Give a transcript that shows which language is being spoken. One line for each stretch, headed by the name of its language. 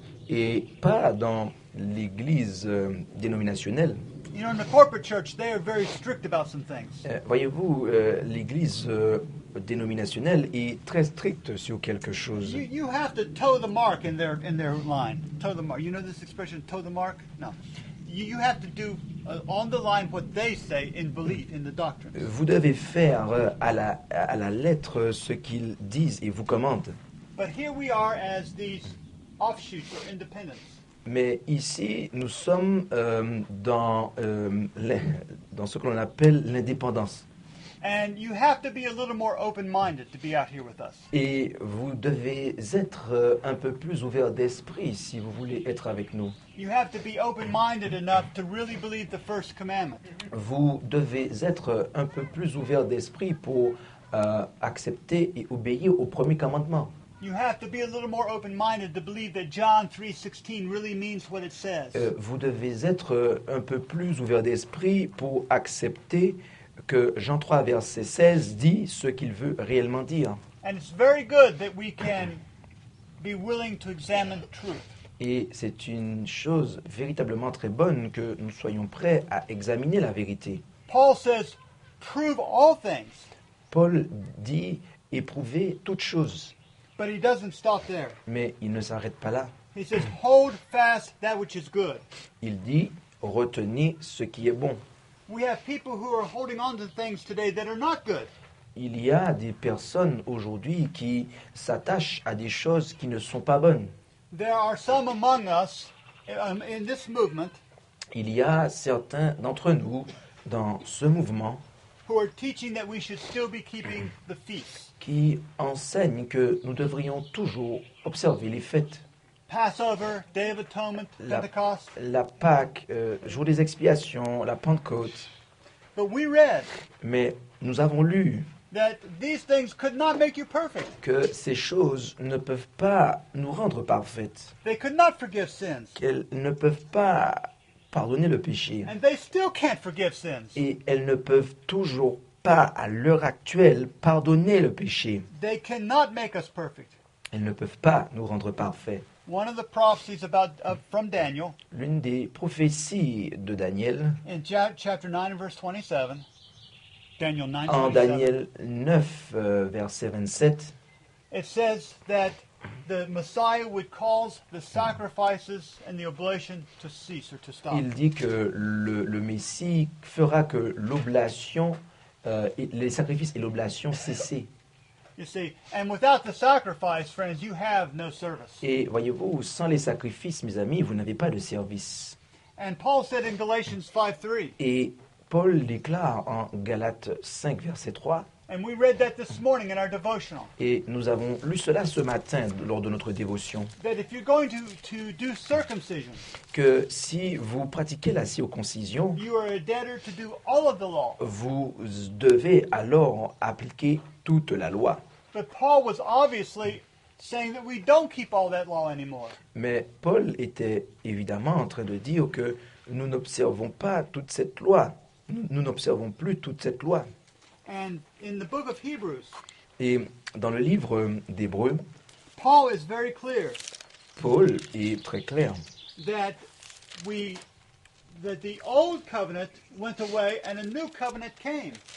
French: et pas dans l'Église dénominationnelle,
English: you know, in the corporate church, they are very strict about some things.
French: Voyez-vous, l'Église dénominationnelle est très stricte sur quelque chose.
English: You have to toe the mark in their line. Toe the mark. You know this expression, toe the mark? No. You have to do on the line what they say in belief in the doctrine.
French: Vous devez faire à la lettre ce qu'ils disent et vous commandent.
English: But here we are as these offshoots or independents.
French: Mais ici, nous sommes dans ce que l'on appelle l'indépendance.
English: And you have to be a little more open-minded to be out here with us.
French: Et vous devez être un peu plus ouvert d'esprit si vous voulez être avec nous.
English: You have to be open-minded enough to really believe the first commandment.
French: Vous devez être un peu plus ouvert d'esprit pour accepter et obéir au premier commandement.
English: You have to be a little more open-minded to believe that John 3:16 really means what it says.
French: Vous devez être un peu plus ouvert d'esprit pour accepter que Jean 3 verset 16 dit ce qu'il veut réellement dire.
English: And it's very good that we can be willing to examine truth.
French: Et c'est une chose véritablement très bonne que nous soyons prêts à examiner la vérité.
English: Paul says, prove all things.
French: Paul dit éprouvez toutes choses.
English: But he doesn't stop there.
French: Mais il ne s'arrête pas là.
English: He says, hold fast that which is good.
French: Il dit, retenez ce qui est bon.
English: We have people who are holding on to things today that are not good.
French: Il y a des personnes aujourd'hui qui s'attachent à des choses qui ne sont pas bonnes.
English: There are some among us in this movement.
French: Il y a certains d'entre nous dans ce mouvement
English: who are teaching that we should still be keeping the feasts.
French: Qui enseigne que nous devrions toujours observer les fêtes.
English: Passover, Day of Atonement, Pentecost.
French: La Pâque, jour des expiations, la Pentecôte.
English: But we read.
French: Mais nous avons lu.
English: That these things could not make you perfect.
French: Que ces choses ne peuvent pas nous rendre parfaites.
English: They could not forgive sins.
French: Qu'elles ne peuvent pas pardonner le péché.
English: And they still can't forgive sins.
French: Et elles ne peuvent toujours pas à l'heure actuelle pardonner le péché.
English: They cannot make us perfect.
French: Elles ne peuvent pas nous rendre parfaits.
English: One of the prophecies about from Daniel.
French: L'une des prophéties de Daniel.
English: In chapter 9 verse 27. Daniel 9.
French: En Daniel 9 verset 27.
English: It says that the Messiah would cause the sacrifices and the oblation to cease or to stop.
French: Il dit que le Messie fera que l'oblation les sacrifices et l'oblation cessent.
English: You see, and without the sacrifice, friends, you have no service.
French: Et voyez-vous, sans les sacrifices, mes amis, vous n'avez pas de service.
English: And Paul said in Galatians 5:3.
French: Et Paul déclare en Galates 5 verset 3.
English: And we read that this morning in our devotional.
French: Et nous avons lu cela ce matin lors de notre dévotion.
English: That if you're going to do circumcision,
French: que si vous pratiquez la circoncision,
English: you are a debtor to do all of the law.
French: Vous devez alors appliquer toute la loi.
English: But Paul was obviously saying that we don't keep all that law anymore.
French: Mais Paul était évidemment en train de dire que nous n'observons pas toute cette loi. nous n'observons plus toute cette loi.
English: And in the book of Hebrews,
French: et dans le livre d'Hébreux,
English: Paul is very clear.
French: Paul est très clair.
English: That the old covenant went away and a new covenant came.